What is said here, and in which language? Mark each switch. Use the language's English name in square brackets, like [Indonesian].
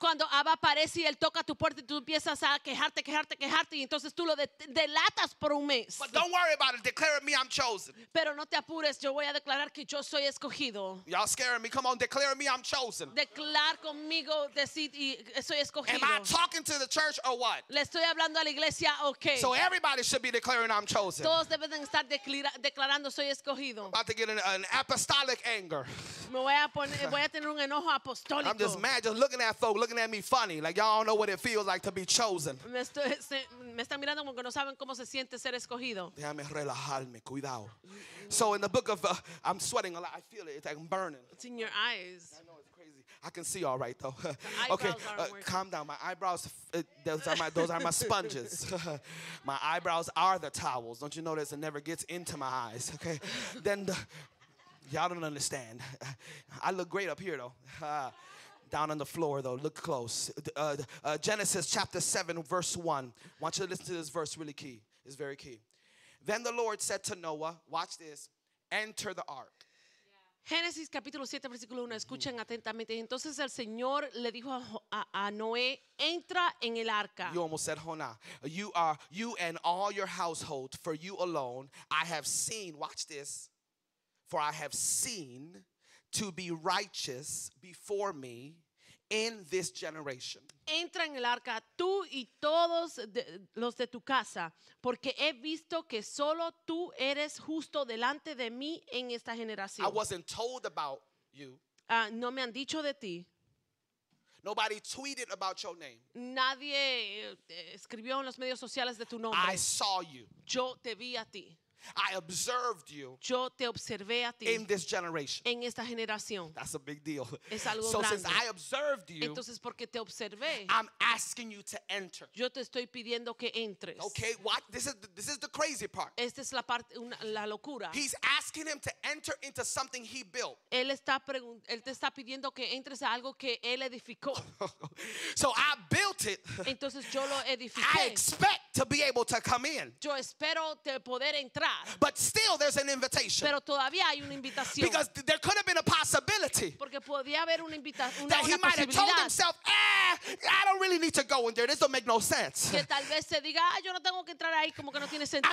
[Spanish] Cuando Abba aparece y él toca tu puerta y tú empiezas a quejarte y entonces tú lo delatas por un mes. [English] But don't worry about it. Declare me, I'm chosen. [Spanish] Pero no te apures, yo voy a declarar que yo soy escogido. [English] Y'all scaring me. Come on, declare me, I'm chosen. [Spanish] Declar conmigo, decir y soy escogido. [English] Am I talking to the church or what? [Spanish] Le estoy hablando a la iglesia, okay. [English] So everybody should be declaring I'm chosen. [Spanish] Todos deben estar declarando soy escogido. [English] I'm about to get an apostolic anger. [Spanish] Me voy a tener un enojo apostólico. [English] I'm just mad, just looking at folk, looking at me funny, like y'all don't know what it feels like to be chosen. [Spanish] Me están mirando como que no saben cómo se siente ser escogido. Déjame relajarme, cuidado. [English] So in the book of I'm sweating a lot. I feel it. It's like I'm burning. It's in your eyes. I know it's crazy. I can see all right, though. Okay, calm down. My eyebrows, those are my sponges. My eyebrows are the towels. Don't you notice it never gets into my eyes, okay? Then y'all don't understand. I look great up here, though. Down on the floor, though. Look close. Genesis chapter 7, verse 1. I want you to listen to this verse, really key. It's very key. Then the Lord said to Noah, watch this, enter the ark. [Spanish] Génesis capítulo 7, versículo 1. Escuchen atentamente. Entonces el Señor le dijo a Noé, entra en el arca. [English] You almost said Jonah. You are, you and all your household, for you alone, I have seen, watch this, for I have seen to be righteous before me in this generation. [Spanish] Entra en el arca tú y todos los de tu casa, porque he visto que solo tú eres justo delante de mí en esta generación. [English] I wasn't told about you. [Spanish] No me han dicho de ti. [English] Nobody tweeted about your name. [Spanish] Nadie escribió en los medios sociales de tu nombre. [English] I saw you. [Spanish] Yo te vi a ti. [English] I observed you. [Spanish] Yo te observé a ti. [English] In this generation. [Spanish] En esta generación. [English] That's a big deal. [Spanish] Es algo [English] so [Spanish] grande. [English] Since I observed you. [Spanish] Entonces porque te observé. [English] I'm asking you to enter. [Spanish] Yo te estoy pidiendo que entres. [English] Okay, what? This is the crazy part. [Spanish] Esta es la parte la locura. [English] He's asking him to enter into something he built. [Spanish] Él te está pidiendo que entres a algo que él edificó. [English] So I built it. [Spanish] Entonces yo lo edifiqué. [English] I expect to be able to come in. [Spanish] Yo espero te poder entrar. [English] But still there's an invitation. [Spanish] Pero todavía hay una invitación. [English] Because there could have been a possibility. [Spanish] Porque podía haber una invitación. [English] That he might have told himself, I don't really need to go in there. This don't make no sense. [Spanish] Que tal vez se diga, yo no tengo que entrar ahí, como que no tiene sentido.